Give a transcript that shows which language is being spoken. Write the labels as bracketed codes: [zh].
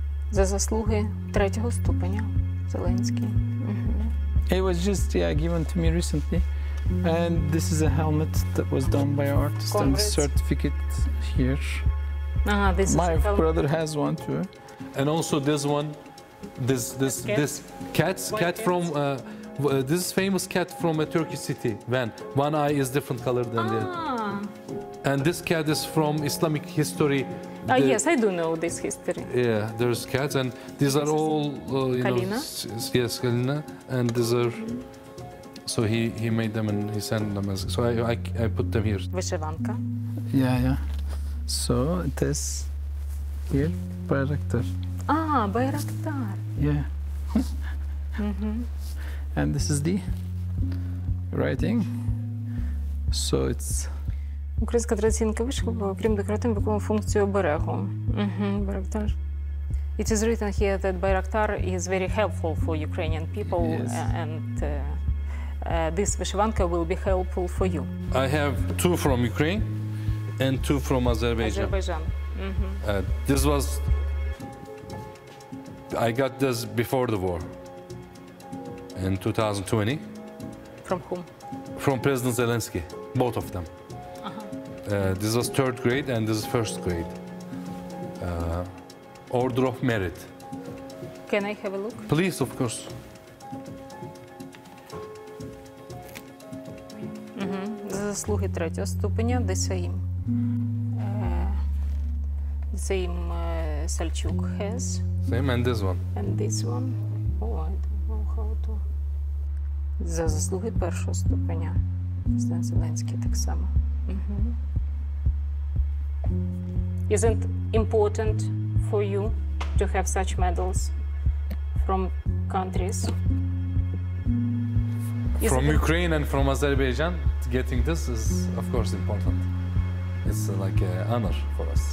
[uk] За заслуги третього ступеня Зеленський. [en] It was just given to me recently, and this is a helmet that was done by an artist. Congrats. And the certificate here. Ah, this my is my brother has one too, and also this one, this cat from this is famous cat from a Turkish city. Van, one eye is different color than the other. And this cat is from Islamic history. Yes, I do know this history. Yeah, there's cats, and these are all, [uk] Kalina. [en] Yes, Kalina, and these are. So he made them and he sent them as. So I put them here. [uk] Вишиванка. [en] Yeah, yeah. So it is here, Bayraktar. Ah, Bayraktar. Yeah. Mm-hmm. And this is the writing. So it's. [uk] Українська традиційна вишивка, окрім декоративно, виконує функцію оберегу. Байрактар. [en] It is written here that Bayraktar is very helpful for Ukrainian people. Yes. And this вишиванка will be helpful for you. I have two from Ukraine and two from Azerbaijan. Azerbaijan. This was... I got this before the war. In 2020. From whom? From President Zelensky. Both of them. This was third grade and this is first grade. Order of Merit. Can I have a look? Please, of course. [uk] За заслуги третього ступеня ДСАІМ. [en] Same Сальчук has. Same and this one. And this one. Oh, I don't know how to. [uk] За заслуги першого ступеня. Стан Зеленський так само. [en] Isn't important for you to have such medals from countries? Is from Ukraine and from Azerbaijan, getting this is of course important. It's like an honor for us.